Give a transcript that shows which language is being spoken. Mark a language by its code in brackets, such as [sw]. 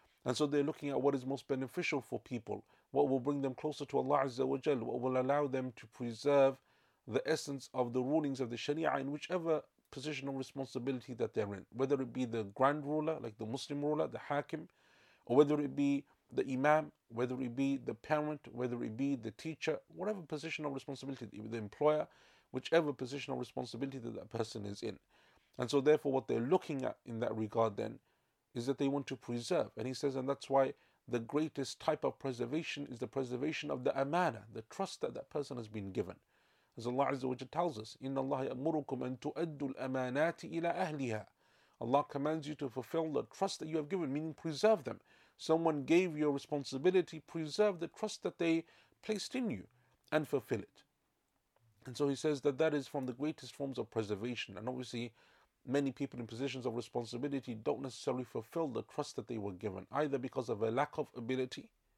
[en] And so they're looking at what is most beneficial for people, what will bring them closer to Allah Azza wa Jal, what will allow them to preserve the essence of the rulings of the Sharia in whichever position of responsibility that they're in, whether it be the grand ruler, like the Muslim ruler, the hakim, or whether it be the imam, whether it be the parent, whether it be the teacher, whatever position of responsibility, the employer, whichever position of responsibility that that person is in. And so therefore what they're looking at in that regard then is that they want to preserve. And he says, and that's why the greatest type of preservation is the preservation of the amana, the trust that that person has been given. As Allah Azza wa Jalla tells us, [ar] إِنَّ اللَّهَ يَأْمُرُكُمْ أَن تُؤَدُّ الْأَمَانَاتِ إِلَىٰ أَهْلِهَا. [en] Allah commands you to fulfill the trust that you have given, meaning preserve them. Someone gave you a responsibility, preserve the trust that they placed in you and fulfill it. And so he says that that is from the greatest forms of preservation. And obviously, many people in positions of responsibility don't necessarily fulfill the trust that they were given, either because of a lack of ability.